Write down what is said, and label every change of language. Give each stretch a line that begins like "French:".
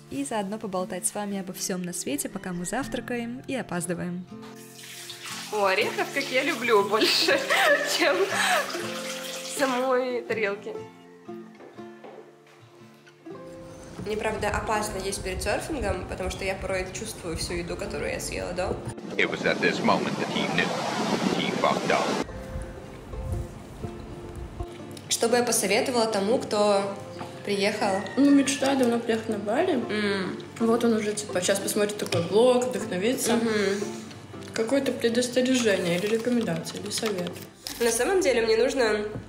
Russian: И заодно поболтать с вами обо всем на свете, пока мы завтракаем и опаздываем. О, орехов, как я люблю больше, чем самой тарелки. Мне, правда, опасно есть перед серфингом, потому что я порой чувствую всю еду, которую я съела, да?
English: It was at this moment that he knew. He fucked up.
Russian: Что бы я посоветовала тому, кто приехал? Ну, мечтаю давно приехать на Бали. Вот он уже, типа, сейчас посмотрит такой блог, вдохновится. Какое-то предостережение или рекомендация, или совет? На самом деле мне нужно...